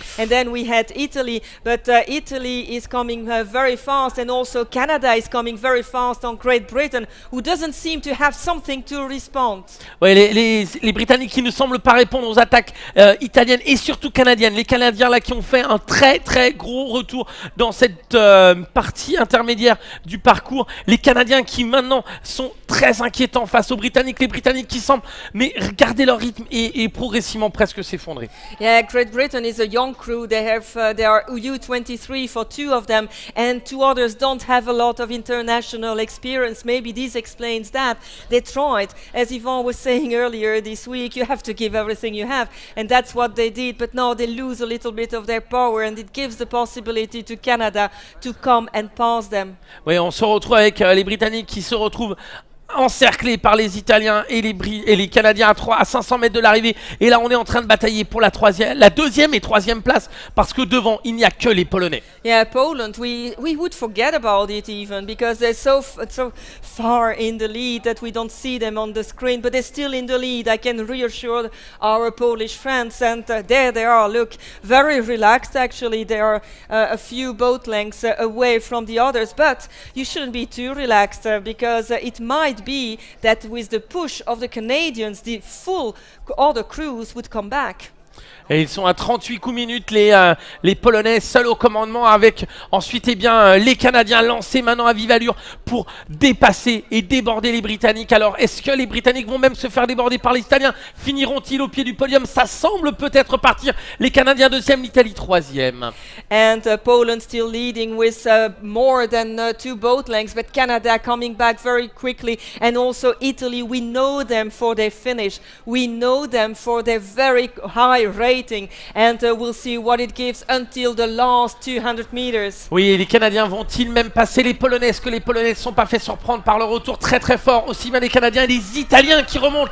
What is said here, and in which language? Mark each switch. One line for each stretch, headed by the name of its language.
English: And then we had Italy, but Italy is coming very fast, and also Canada is coming very fast on Great Britain, who doesn't seem to have something to respond.
French: Ouais, les Britanniques qui ne semblent pas répondre aux attaques italiennes et surtout canadiennes. Les Canadiens là qui ont fait un très très gros retour dans cette partie intermédiaire du parcours. Les Canadiens qui maintenant sont très inquiétants face aux Britanniques. Les Britanniques qui semblent mais garder leur rythme et progressivement presque s'effondrer.
English: Yeah, Great Britain is a young crew. They have they are U23 for two of them, and two others don't have a lot of international experience. Maybe this explains that. They tried, as Yvan was saying earlier this week, you have to give everything you have, and that's what they did. But now they lose a little bit of their power, and it gives the possibility to Canada to come and pass them.
French: Oui, on se retrouve avec les Britanniques qui se retrouvent encerclé par les Italiens et les Canadiens à 500 mètres de l'arrivée. Et là, on est en train de batailler pour la deuxième et troisième place parce que devant, il n'y a que les Polonais.
English: Yeah, Poland, we would forget about it even because they're so far in the lead that we don't see them on the screen. But they're still in the lead. I can reassure our Polish friends. And there they are. Look, very relaxed actually. They are a few boat lengths away from the others. But you shouldn't be too relaxed because it might be that with the push of the Canadians, the full other crews would come back.
French: Et ils sont à 38 coups minutes, les Polonais, seuls au commandement, avec ensuite eh bien, les Canadiens lancés maintenant à vive allure pour dépasser et déborder les Britanniques. Alors, est-ce que les Britanniques vont même se faire déborder par les Italiens? Finiront-ils au pied du podium? Ça semble peut-être partir. Les Canadiens deuxième, l'Italie troisième.
English: And Poland still leading with more than two boat lengths, but Canada coming back very quickly. And also Italy, we know them for their finish. We know them for their very high rating, and we'll see what it gives until the last 200 meters.
French: Oui, les Canadiens vont-ils même passer les Polonais? Est-ce que les Polonais ne sont pas fait surprendre par leur retour très très fort? Aussi bien les Canadiens et les Italiens qui remontent.